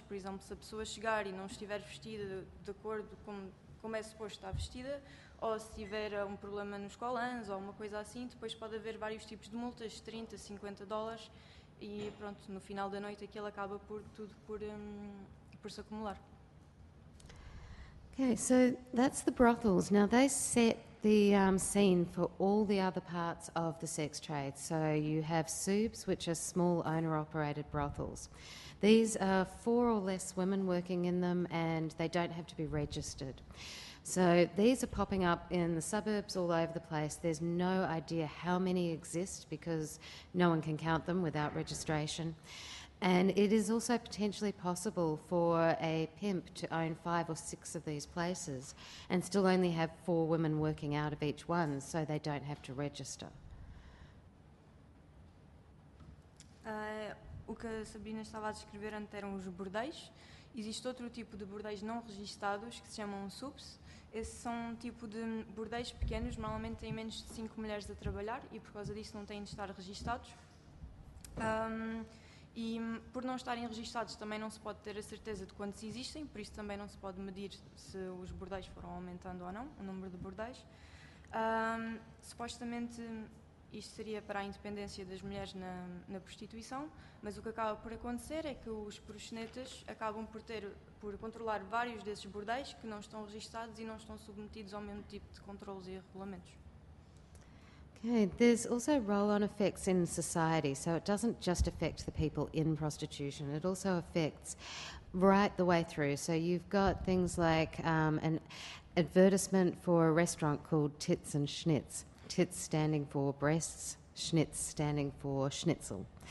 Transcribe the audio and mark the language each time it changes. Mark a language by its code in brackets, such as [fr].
[pt] Por exemplo, se a pessoa chegar e não estiver vestida de acordo com como é suposto estar vestida, ou se tiver um problema nos colãs ou uma coisa assim, depois pode haver vários tipos de multas, 30, $50, e pronto, no final da noite aquilo acaba por se acumular. [en] Okay, so that's the brothels. Now they set the scene for all the other parts of the sex trade. So you have SOOBs, which are small owner-operated brothels. These are four or less women working in them, and they don't have to be registered. So these are popping up in the suburbs all over the place. There's no idea how many exist because no one can count them without registration. And it is also potentially possible for a pimp to own five or six of these places and still only have four women working out of each one, so they don't have to register. [pt] O que a Sabina estava a descrever antes eram os bordéis. Existe outro tipo de bordéis não registados que se chamam SUPS. Esses são um tipo de bordéis pequenos, normalmente têm menos de cinco mulheres a trabalhar e por causa disso não têm de estar registados. E por não estarem registados também não se pode ter a certeza de quantos existem, por isso também não se pode medir se os bordéis foram aumentando ou não, o número de bordéis. Supostamente isto seria para a independência das mulheres na prostituição, mas o que acaba por acontecer é que os proxenetas acabam por controlar vários desses bordéis que não estão registados e não estão submetidos ao mesmo tipo de controlos e regulamentos. [en] Okay, there's also roll-on effects in society, so it doesn't just affect the people in prostitution, it also affects right the way through. So you've got things like an advertisement for a restaurant called Tits and Schnitz. Tits standing for breasts, schnitz standing for schnitzel.